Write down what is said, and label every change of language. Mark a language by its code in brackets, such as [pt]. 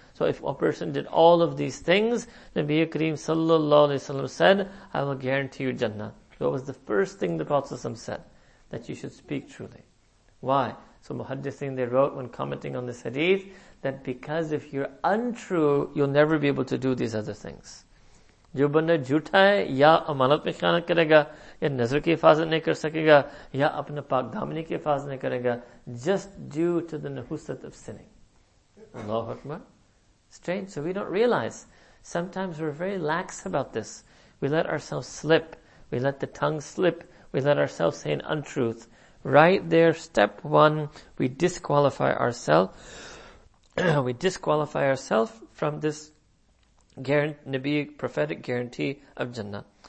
[en] So if a person did all of these things, Nabi Kareem sallallahu alaihi wasallam said, I will guarantee you Jannah. What was the first thing the Prophet said? That you should speak truly. Why? So Muhaddithin, they wrote when commenting on this hadith, that because if you're untrue, you'll never be able to do these other things. [ur] جو بندہ جھوٹا ہے یا امانت میں خیانت کرے گا یا نظر کی حفاظت نہیں کر سکے گا یا اپنے پاک دامنی کی حفاظت نہیں کرے گا [en] just due to the [ur] نحوست of sinning. [ar] Allahu Akbar. [en] Strange. So we don't realize. Sometimes we're very lax about this. We let ourselves slip. We let the tongue slip. We let ourselves say an untruth. Right there, step one, we disqualify ourselves. We disqualify ourselves from this Nabi prophetic guarantee of Jannah.